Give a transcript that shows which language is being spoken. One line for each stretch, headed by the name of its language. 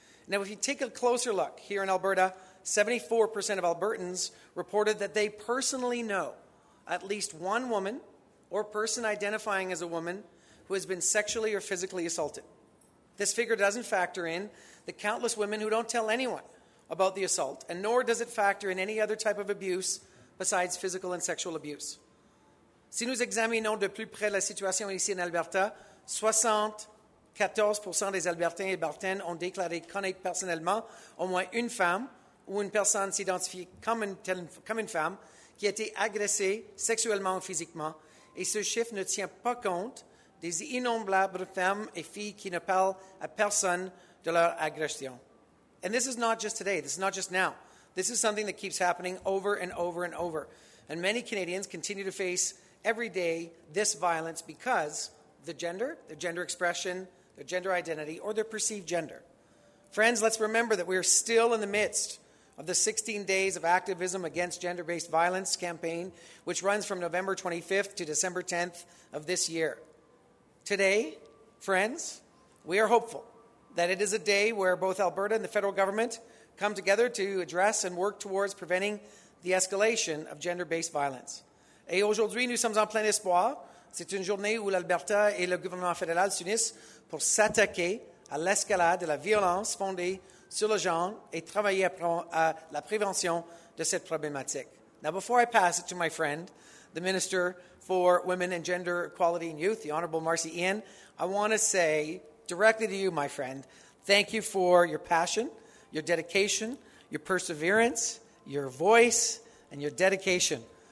English: Now, if you take a closer look here in Alberta, 74% of Albertans reported that they personally know at least one woman or person identifying as a woman who has been sexually or physically assaulted. This figure doesn't factor in the countless women who don't tell anyone about the assault, and nor does it factor in any other type of abuse besides physical and sexual abuse.
French: Si nous examinons de plus près la situation ici en Alberta, 74% des Albertains et Albertaines ont déclaré connaître personnellement au moins une femme ou une personne s'identifie comme une femme qui a été agressée sexuellement ou physiquement, et ce chiffre ne tient pas compte des innombrables femmes et filles qui ne parlent à personne de leur agression.
English: And this is not just today, this is not just now. This is something that keeps happening over and over and over. And many Canadians continue to face every day this violence because their gender expression, their gender identity, or their perceived gender. Friends, let's remember that we are still in the midst of the 16 Days of Activism Against Gender-Based Violence campaign, which runs from November 25th to December 10th of this year. Today, friends, we are hopeful that it is a day where both Alberta and the federal government come together to address and work towards preventing the escalation of gender-based violence.
French: Et aujourd'hui, nous sommes en plein espoir. C'est une journée où l'Alberta et le gouvernement fédéral s'unissent pour s'attaquer à l'escalade de la violence fondée sur le genre et travailler à la prévention de cette problématique.
English: Now, before I pass it to my friend, the Minister for Women and Gender Equality and Youth, the Honourable Marcy Ian, I want to say directly to you, my friend, thank you for your passion, your dedication, your perseverance, your voice, and your dedication